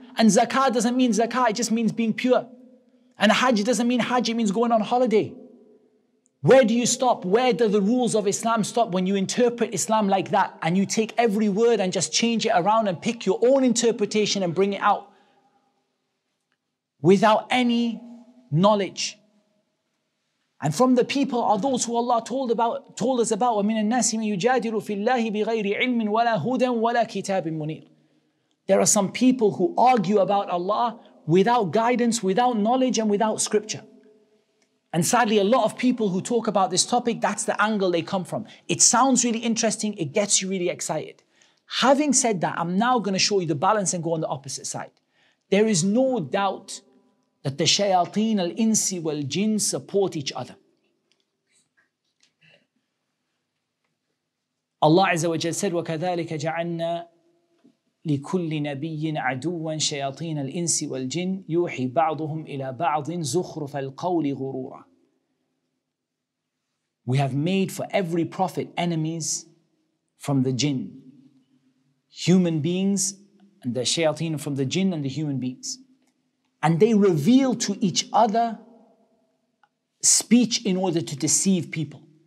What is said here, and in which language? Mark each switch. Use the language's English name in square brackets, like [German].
[English] And zakah doesn't mean zakah, it just means being pure. And hajj doesn't mean hajj, it means going on holiday. Where do you stop? Where do the rules of Islam stop when you interpret Islam like that and you take every word and just change it around and pick your own interpretation and bring it out without any knowledge? And from the people are those who Allah told us about, [Arabic] وَمِنَ النَّاسِ مَن يُجَادِلُ فِي اللَّهِ بِغَيْرِ عِلْمٍ وَلَا هُدًى وَلَا كِتَابٍ مُنِيرٍ. [English] There are some people who argue about Allah without guidance, without knowledge, and without scripture. And sadly, a lot of people who talk about this topic, that's the angle they come from. It sounds really interesting, it gets you really excited. Having said that, I'm now going to show you the balance and go on the opposite side. There is no doubt that the shayateen, [Arabic] al-insi, wal-jinn [English] support each other. Allah Azza wa Jalla said, [Arabic] وَكَذَلِكَ جَعَلْنَا لِكُلِّ نَبِيٍّ عَدُوًّا شَيَاطِينَ الْإِنسِ وَالْجِنِّ يُوحِي بَعْضُهُمْ إِلَى بَعْضٍ زُخْرُفَ الْقَوْلِ غُرُورًا. [English] We have made for every prophet enemies from the jinn, human beings, and the shayateen from the jinn and the human beings. And they reveal to each other speech in order to deceive people.